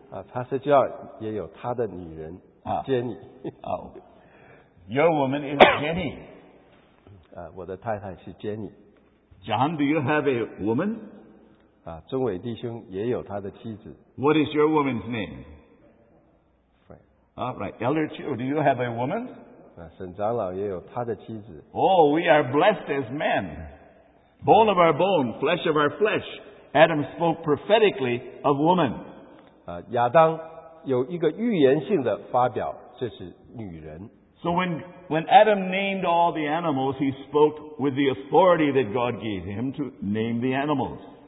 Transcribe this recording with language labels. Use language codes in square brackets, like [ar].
[zh] Pastor John也有他的女人, Jenny. [en] Oh. Your woman is Jenny. [zh] 我的太太是Jenny. [en] John, do you have a woman? [zh] 钟伟弟兄也有他的妻子. [en] What is your woman's name? Fred. All right. Elder Chu, do you have a woman? [zh] 沈长老也有他的妻子. [en] Oh, we are blessed as men. Bone of our bone, flesh of our flesh. Adam spoke prophetically of woman. [zh] 亚当有一个预言性的发表, 这是女人。 [en] So when Adam named all the animals, he spoke with the authority that God gave him to name the animals.